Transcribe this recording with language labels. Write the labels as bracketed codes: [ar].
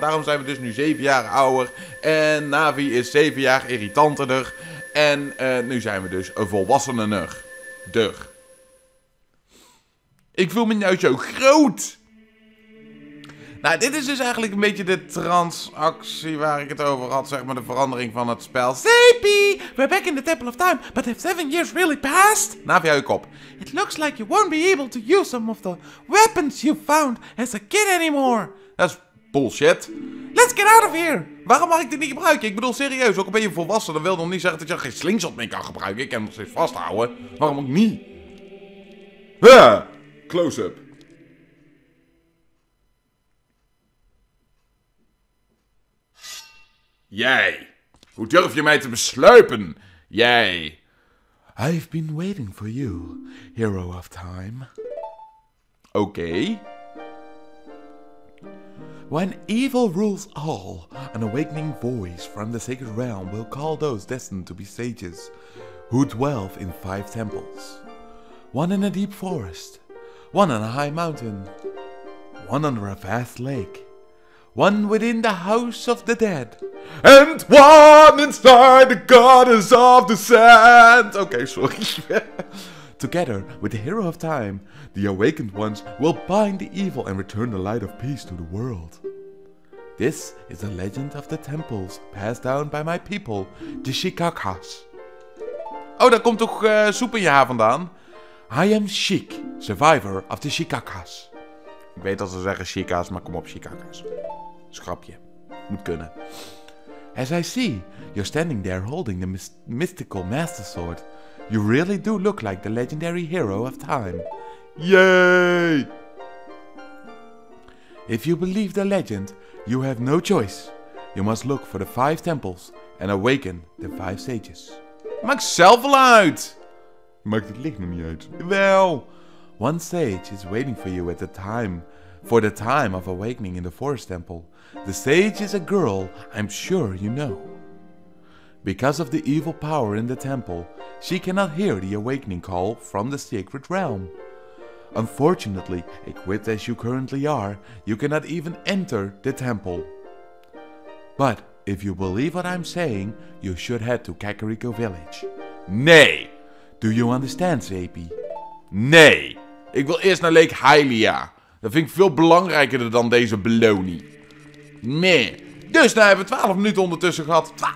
[nl] Daarom zijn we dus nu 7 jaar ouder. En Navi is 7 jaar irritanterder. En nu zijn we dus volwasseneder. Ik voel mijn neusje ook groot. Nou, dit is dus eigenlijk een beetje de transactie waar ik het over had. Zeg maar de verandering van het spel. [en] Sleepy, we're back in the Temple of Time. But have 7 years really passed? [nl] Navi, hou je kop. [en] It looks like you won't be able to use some of the weapons you found as a kid anymore. [nl] Dat is bullshit. [en] Let's get out of here. [nl] Waarom mag ik dit niet gebruiken? Ik bedoel, serieus, ook al ben je volwassen, dat wil nog niet zeggen dat je geen slingshot meer kan gebruiken. Ik kan hem nog steeds vasthouden. Waarom ook niet? [en] Huh, close-up. [nl] Jij. Hoe durf je mij te besluipen? Jij. [en] I've been waiting for you, hero of time. [nl] Oké. [en] When evil rules all, an awakening voice from the sacred realm will call those destined to be sages who dwell in 5 temples. One in a deep forest, one on a high mountain, one under a vast lake, one within the house of the dead, and one inside the goddess of the sand. Okay, sorry. Together with the hero of time, the awakened ones will bind the evil and return the light of peace to the world. This is the legend of the temples passed down by my people, the Shikakas. [nl] Oh, daar komt toch soep in je haar vandaan? [en] I am Shik, survivor of the Shikakas. [nl] Ik weet dat ze zeggen Shikas, maar kom op, Shikakas. Schrapje. Moet kunnen. [en] As I see, you're standing there holding the mystical master sword. You really do look like the legendary hero of time. Yay! If you believe the legend, you have no choice. You must look for the 5 temples and awaken the 5 sages. [nl] Maak zelf wel uit! Maakt het licht nog niet uit. Wel! [en] 1 sage is waiting for you at the time. For the time of awakening in the forest temple. The sage is a girl I'm sure you know. Because of the evil power in the temple, she cannot hear the awakening call from the sacred realm. Unfortunately, equipped as you currently are, you cannot even enter the temple. But if you believe what I'm saying, you should head to Kakariko Village. [nl] Nee! [en] Do you understand, Zepi? [nl] Nee! Ik wil eerst naar Lake Hylia. Dat vind ik veel belangrijker dan deze beloni. Nee! Dus nu hebben we 12 minuten ondertussen gehad.